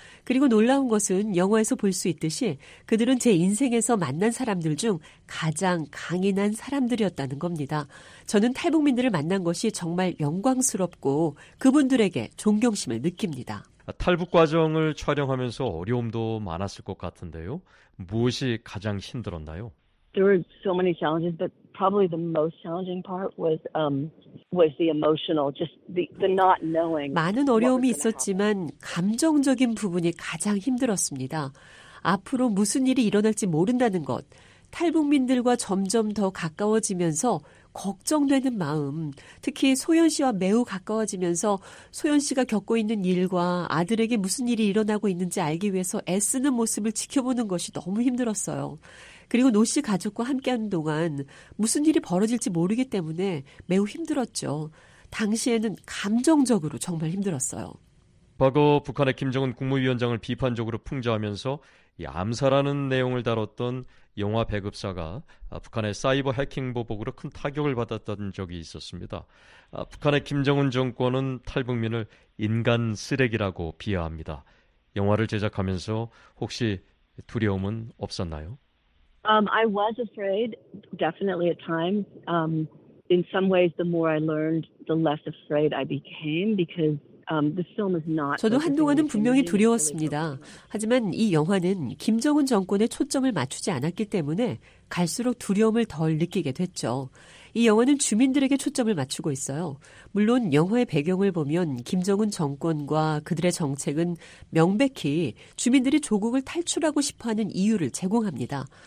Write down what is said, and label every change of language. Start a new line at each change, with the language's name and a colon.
Korean: 그리고 놀라운 것은 영화에서 볼 수 있듯이 그들은 제 인생에서 만난 사람들 중 가장 강인한 사람들이었다는 겁니다. 저는 탈북민들을 만난 것이 정말 영광스럽고 그분들에게 존경심을 느낍니다. 탈북 과정을 촬영하면서 어려움도 많았을 것 같은데요. 무엇이 가장 힘들었나요?
English: There were so many challenges, but probably the most challenging part was the emotional, just the not knowing.
Korean: 많은 어려움이 있었지만 감정적인 부분이 가장 힘들었습니다. 앞으로 무슨 일이 일어날지 모른다는 것, 탈북민들과 점점 더 가까워지면서 걱정되는 마음, 특히 소연 씨와 매우 가까워지면서 소연 씨가 겪고 있는 일과 아들에게 무슨 일이 일어나고 있는지 알기 위해서 애쓰는 모습을 지켜보는 것이 너무 힘들었어요. 그리고 노 씨 가족과 함께하는 동안 무슨 일이 벌어질지 모르기 때문에 매우 힘들었죠. 당시에는 감정적으로 정말 힘들었어요. 과거 북한의 김정은 국무위원장을 비판적으로 풍자하면서 암살하는 내용을 다뤘던 영화 배급사가 북한의 사이버 해킹 보복으로 큰 타격을 받았던 적이 있었습니다. 북한의 김정은 정권은 탈북민을 인간 쓰레기라고 비하합니다. 영화를 제작하면서 혹시 두려움은 없었나요?
English: I was afraid, definitely at times. In some ways, the more I learned, the less afraid I became because the film is not.
Korean: 저도 한동안은 분명히 두려웠습니다. 하지만 이 영화는 김정은 정권에 초점을 맞추지 않았기 때문에 갈수록 두려움을 덜 느끼게 됐죠. 이 영화는 주민들에게 초점을 맞추고 있어요. 물론 영화의 배경을 보면 김정은 정권과 그들의 정책은 명백히 주민들이 조국을 탈출하고 싶어하는 이유를 제공합니다.